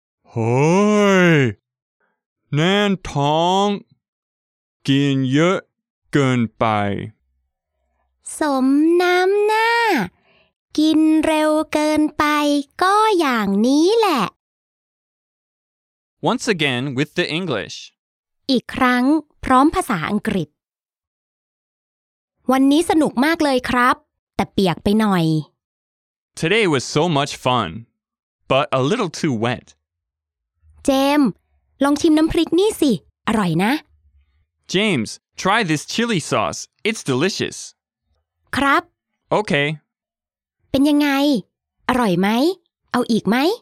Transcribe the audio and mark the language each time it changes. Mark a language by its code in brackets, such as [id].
[th] เฮ้ยแน่นท้องกินเยอะเกินไป สมน้ำหน้ากินเร็วเกินไปก็อย่างนี้แหละ [en] Once again with the English [th] อีกครั้งพร้อมภาษาอังกฤษวันนี้สนุกมากเลยครับแต่เปียกไปหน่อย [en] Today was so much fun, but a little too wet. [th] เจมส์ลองชิมน้ำพริกนี่สิอร่อยนะ [en] James, try this chili sauce. It's delicious. [th] ครับ [en] Okay. [th] เป็นยังไงอร่อยไหมเอาอีกไหม